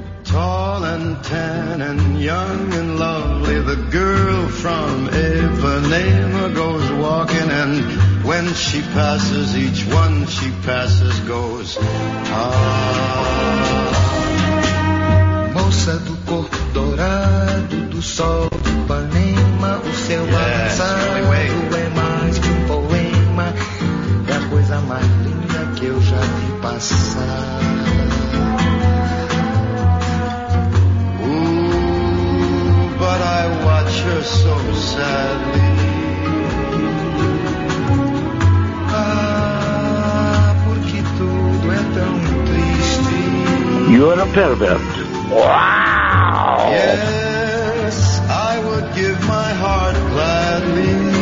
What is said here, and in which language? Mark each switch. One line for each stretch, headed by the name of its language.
English: Tall and tan and young and lovely, the girl from Ipanema goes walking, and when she passes, each one she passes goes, ah.
Portuguese: Moça do corpo dourado, do sol do Ipanema, o seu passado é mais que poema, é a coisa mais linda que eu já vi passar.
English: But I watch her so sadly.
Portuguese: Ah, porque tudo é tão triste.
English: You're a pervert. Wow. Yes, I would give my heart gladly.